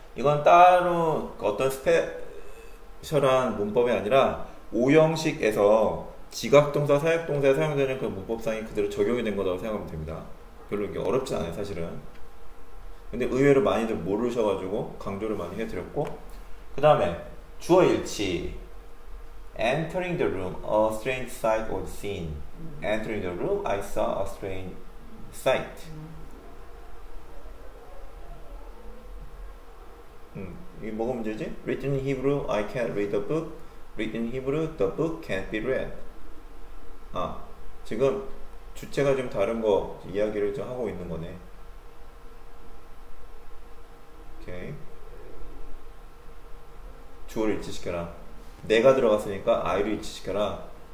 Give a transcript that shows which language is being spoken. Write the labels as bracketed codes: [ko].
[ko] 이건 따로 어떤 스페셜한 문법이 아니라 5형식에서 지각동사, 사역동사에 사용되는 그 문법상이 그대로 적용이 된 거라고 생각하면 됩니다. 별로 이게 어렵지 않아요, 사실은. 근데 의외로 많이들 모르셔가지고 강조를 많이 해드렸고. 그 다음에 주어일치. [en] Entering the room, a strange sight was seen. Entering the room, I saw a strange sight. [ko] 이게 뭐가 문제지? [en] Written in Hebrew, I can't read the book. Written in Hebrew, the book can't be read. [ko] 아, 지금 주체가 좀 다른 거 이야기를 좀 하고 있는 거네. 오케이. 주어를 일치시켜라. 내가 들어갔으니까 I를 일치시켜라.